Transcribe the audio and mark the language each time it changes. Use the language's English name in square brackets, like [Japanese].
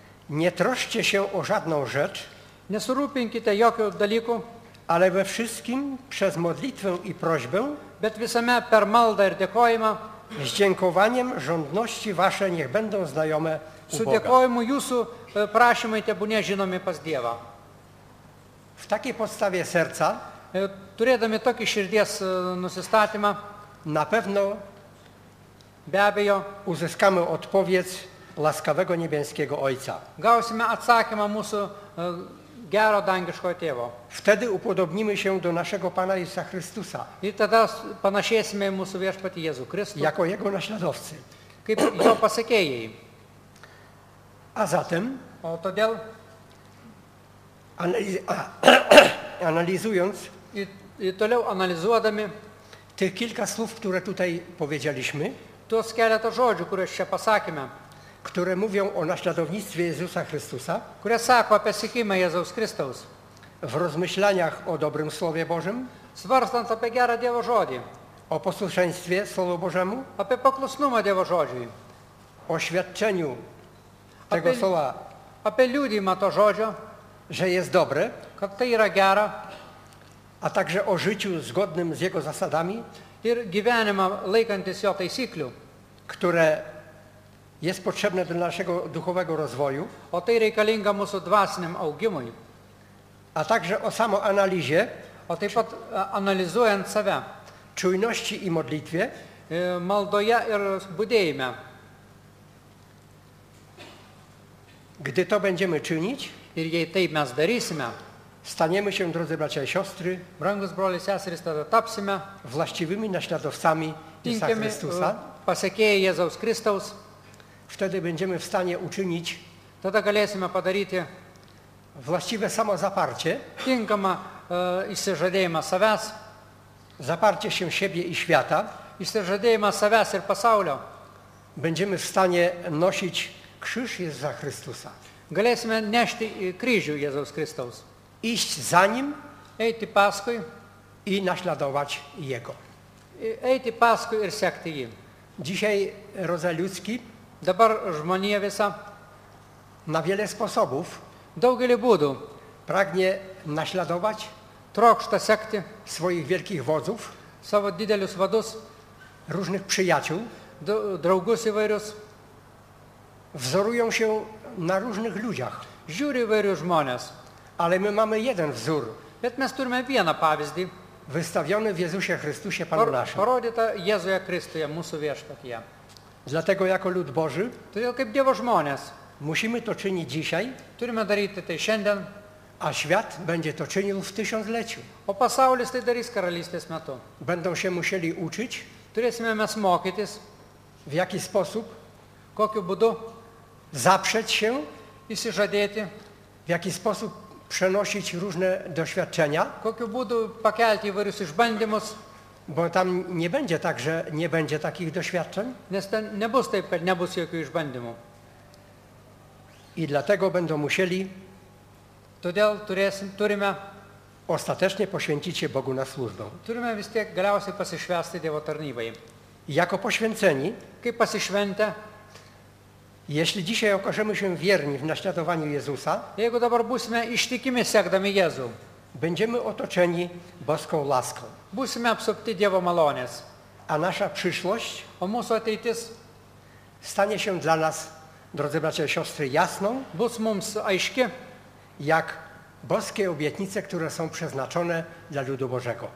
[Polish] Nie troszcie się o żadną rzecz, [Lithuanian] nesurūpinkite jokio dalyku, [Polish] ale we wszystkim przez modlitwę i prośbę, [Lithuanian] bet visame per maldą ir dėkojimą, [Polish] z dziękowaniem żądności wasze niech będą znajome u [Lithuanian] su dėkojimu jūsų prašymai tebūnie žinomi pas Dievą. [Polish] W takiej podstawie serca, [Lithuanian] turėdami tokį širdies nusistatymą, [Polish] na pewno [Lithuanian] be abejo [Polish] uzyskamy odpowiedź łaskawego niebieskiego Ojca. [Lithuanian] Gausime atsakymą mūsų gero dangiško tėvo. [Polish] Wtedy upodobnimy się do naszego Pana Jezusa Chrystusa. [Lithuanian] I tada panašėsime į mūsų viešpatį Jėzų Kristų. [Polish] Jako Jego naśladowcy. [Lithuanian] Kaip jo pasekėjai. [Polish] A zatem, [Lithuanian] o todėl, [Polish] analizując, [Lithuanian] i toliau analizuodami, [Polish] tych kilka słów, które tutaj powiedzieliśmy, [Lithuanian] tos keletą žodžių, kuriuos čia pasakėme, [Polish] które mówią o naśladownictwie Jezusa Chrystusa, [Lithuanian] kurie sako apie sekimą Jezaus Kristaus, [Polish] w rozmyślaniach o dobrym Słowie Bożym, [Lithuanian] svarstant apie gerą Dievo žodį, [Polish] o posłuszeństwie Słowu Bożemu, [Lithuanian] apie paklusnumą Dievo žodžiui, [Polish] o świadczeniu tego Słowa, [Lithuanian] apie liudijimą to žodžio, [Polish] że jest dobre, [Lithuanian] kad tai yra gera, [Polish] a także o życiu zgodnym z Jego zasadami, [Lithuanian] ir gyvenimą laikantis jo taisyklių, [Polish] które jest potrzebne dla naszego duchowego rozwoju, [Lithuanian] o tej reikalinga mūsų dvasiniam augimui, [Polish] a także o samoanalizie, [Lithuanian] o tej pat analizując save, [Polish] czujności i modlitwie, [Lithuanian] maldoje ir budėjime. [Polish] Gdy to będziemy czynić, [Lithuanian] ir jei taip mes darysime, [Polish] staniemy się, drodzy bracia i siostry, [Lithuanian] brangus broliai seserys, tada tapsime [Polish] właściwymi naśladowcami Jezusa Chrystusa, [Lithuanian] pasekėjai Jėzaus Kristaus, [Polish] wtedy będziemy w stanie uczynić, [Lithuanian] tada galėsime padaryti [Polish] właściwe samozaparcie, [Lithuanian] tinkamą išsižadėjimą savęs, [Polish] zaparcie się siebie i świata, [Lithuanian] išsižadėjimą savęs ir pasaulio, [Polish] będziemy w stanie nosić krzyż Jezusa Chrystusa, [Lithuanian] galėsime nešti kryžių Jėzaus Kristaus, [Polish] iść za Nim, [Lithuanian] eiti paskui [Polish] i naśladować Jego, [Lithuanian] eiti paskui ir sekti Jį. [Polish] Dzisiaj rodzaj ludzki, [Lithuanian] dabar žmonija visa, [Polish] na wiele sposobów, [Lithuanian] daugelį būdų, [Polish] pragnie naśladować, [Lithuanian] trokšta sekti [Polish] swoich wielkich wodzów, [Lithuanian] savo didelius vadus, [Polish] różnych przyjaciół, [Lithuanian] draugus įvairius, [Polish] wzorują się na różnych ludziach, [Lithuanian] žiūri įvairius žmonės, [Polish] Ale my mamy jeden wzór. [Lithuanian] Bet mes turime vieną pavyzdį. [Polish] Wystawiony w Jezusie Chrystusie Panu naszym. [Lithuanian] Parodyta Jezuja Chrystuja, mūsų viešpatyje. [Polish] Dlatego jako lud Boży, [Lithuanian] to jest kaip Dievo žmonės, [Polish] musimy to czynić dzisiaj, [Lithuanian] turime daryti tai šiandien, [Polish] a świat będzie to czynił w tysiącleciu. [Lithuanian] O pasaulis tai darys karalystės metu. [Polish] Będą się musieli uczyć, [Lithuanian] turėsime mes mokytis, [Polish] w jaki sposób, [Lithuanian] kokiu būdu, [Polish] zaprzeć się, [Lithuanian] įsižadėti, [Polish] w jaki sposób przenosić różne doświadczenia, [Lithuanian] kokiu būdu pakelti įvairius išbandymus, [Polish] bo tam nie będzie tak, że nie będzie takich doświadczeń. [Lithuanian] Nes ten nebus taip, kad nebus jokių išbandymų. [Polish] I dlatego będą musieli, [Lithuanian] todėl turime, [Polish] ostatecznie poświęcić się Bogu na służbę. [Lithuanian] Turime vis tiek galiausiai pasišvęsti Dievo tarnybai. [Polish] Jako poświęceni, [Lithuanian] kaip pasišventę, [Polish] jeśli dzisiaj okażemy się wierni w naśladowaniu Jezusa, [Lithuanian] jeigu dabar būsime ištikimi sekdami Jezu, [Polish] będziemy otoczeni boską laską. [Lithuanian] Būsime apsupti Dievo malonės. [Polish] A nasza przyszłość, [Lithuanian] o mūsų ateitis, [Polish] stanie się dla nas, drodzy bracia i siostry, jasną, [Lithuanian] bus mums aiški, [Polish] jak boskie obietnice, które są przeznaczone dla ludu Bożego.